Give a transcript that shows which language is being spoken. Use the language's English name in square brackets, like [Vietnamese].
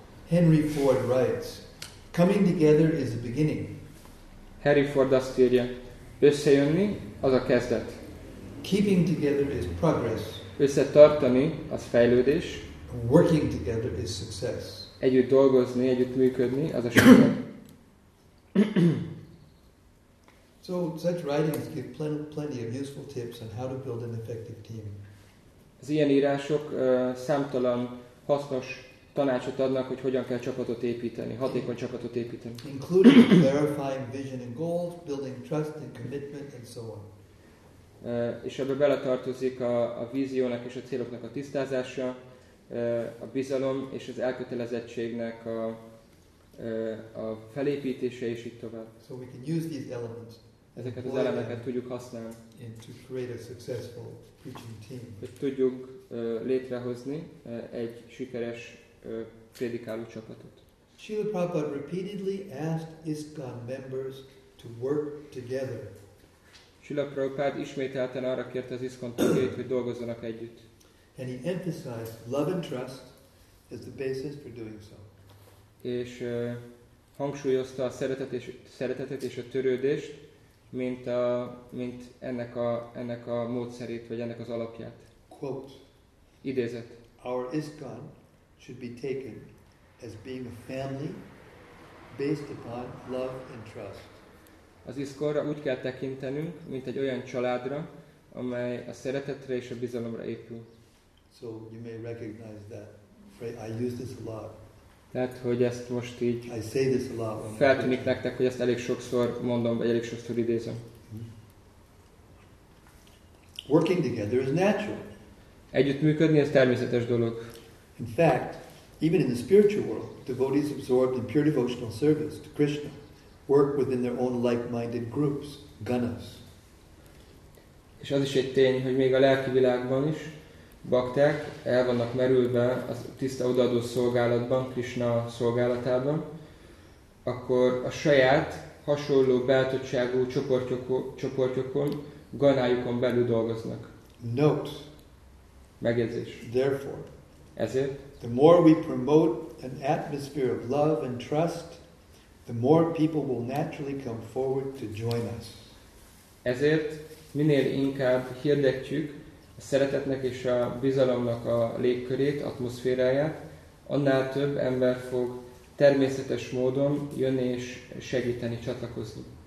[English] Henry Ford writes, coming together is the beginning. [Hungarian] Harry Ford azt írja, összejönni az a kezdet. [English] Keeping together is progress. [Hungarian] Összetartani az fejlődés. [English] Working together is success. [Hungarian] Együtt dolgozni, együtt működni az a siker. [English] So such writings give plenty of useful tips on how to build an effective team. [Hungarian] Az ilyen írások számtalan hasznos tanácsot adnak, hogy hogyan kell csapatot építeni, hatékony csapatot építeni. [English] Including clarifying vision and goals, building trust and commitment and so on. [Hungarian] És ebbe beletartozik a víziónak és a céloknak a tisztázása, a bizalom és az elkötelezettségnek a felépítése és így tovább. [English] So we can use these elements. [Hungarian] Ezeket az elemeket tudjuk használni. [English] And to create a successful preaching team. [Hungarian] Hogy tudjuk létrehozni egy sikeres prédikáló csapatot. [English] Srila Prabhupada repeatedly asked ISKCON members to work together. [Hungarian] Srila Prabhupada ismételten arra kérte az ISKCON tagjait, hogy dolgozzanak együtt. [English] And he emphasized love and trust as the basis for doing so. [Hungarian] És hangsúlyozta a szeretetet és a törődést, mint ennek a módszerét vagy ennek az alapját. [English] Quote. [Hungarian] Idézet. [English] Our ISKCON should be taken as being a family based upon love and trust. [Hungarian] Az ISKCON-ra úgy kell tekintenünk, mint egy olyan családra, amely a szeretetre és a bizalomra épül. [English] So you may recognize that. I use this a lot. [Hungarian] Tehát, hogy ezt most így [English] I say this a lot. [Hungarian] Feltűnik nektek, hogy ezt elég sokszor mondom, vagy elég sokszor idézem. [English] Mm-hmm. Working together is natural. [Hungarian] Együttműködni, ez természetes dolog. [English] In fact, even in the spiritual world, devotees absorbed in pure devotional service to Krishna work within their own like-minded groups, ganas. [Hungarian] És az is egy tény, hogy még a lelki világban is bakták el vannak merülve a tiszta odaadó szolgálatban, Krishna szolgálatában, akkor a saját hasonló beállítottságú csoportjukon, ganájukon belül dolgoznak. [English] Note. [Hungarian] Megjegyzés. [English] Therefore. [Hungarian] Ezért, [English] the more we promote an atmosphere of love and trust, the more people will naturally come forward to join us. [Hungarian] Ezért minél inkább hirdetjük a szeretetnek és a bizalomnak a légkörét, atmoszféráját, annál több ember fog természetes módon jönni és segíteni, csatlakozni.